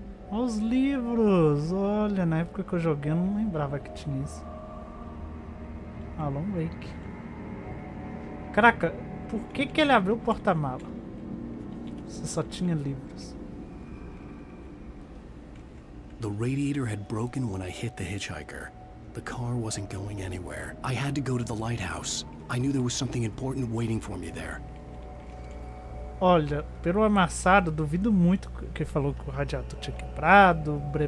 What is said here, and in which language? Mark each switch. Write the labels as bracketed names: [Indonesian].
[Portuguese] Olha os livros. Olha, na época que eu joguei eu não lembrava que tinha isso. Alan Wake. Caraca, por que que ele abriu o porta-mala? Você só tinha livros. [English] The radiator had broken when I hit the hitchhiker. The car wasn't going anywhere. I had to go to the lighthouse. I knew there was something important waiting for me there. [Portuguese] Olha, pelo amassado, duvido muito que falou que o radiador tinha quebrado.